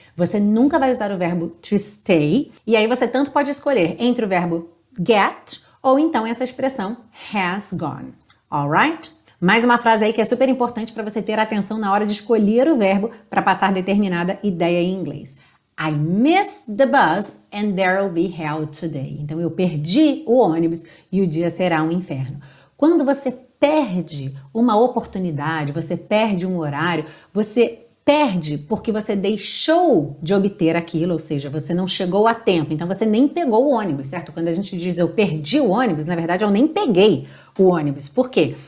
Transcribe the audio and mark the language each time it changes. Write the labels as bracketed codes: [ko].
[pt] Você nunca vai usar o verbo to stay, e aí você tanto pode escolher entre o verbo get ou então essa expressão has gone. [en] All right? [pt] Mais uma frase aí que é super importante para você ter atenção na hora de escolher o verbo para passar determinada ideia em inglês. [en] I missed the bus and there'll be hell today. [pt] Então eu perdi o ônibus e o dia será um inferno. Quando você perde uma oportunidade, você perde um horário, você perde porque você deixou de obter aquilo, ou seja, você não chegou a tempo. Então você nem pegou o ônibus, certo? Quando a gente diz eu perdi o ônibus, na verdade eu nem peguei o ônibus. Por quê?